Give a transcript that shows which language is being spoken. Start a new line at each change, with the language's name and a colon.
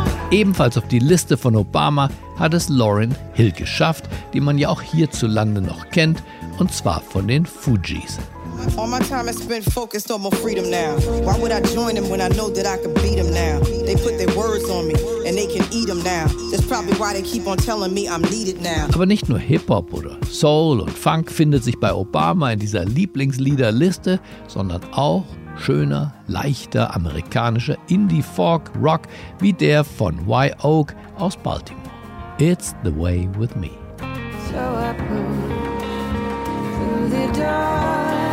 German: Ebenfalls auf die Liste von Obama hat es Lauryn Hill geschafft, die man ja auch hierzulande noch kennt, und zwar von den Fugees.
English: All my time is spent focused on my freedom now. Why would I join them when I know that I can beat them now? They put their words on me and they can eat them now. That's probably why they keep on telling me I'm needed now.
German: Aber nicht nur Hip-Hop oder Soul und Funk findet sich bei Obama in dieser Lieblingsliederliste, sondern auch schöner, leichter amerikanischer Indie-Folk-Rock wie der von Y-Oak aus Baltimore.
English: It's the way with me. So I pull through the dark.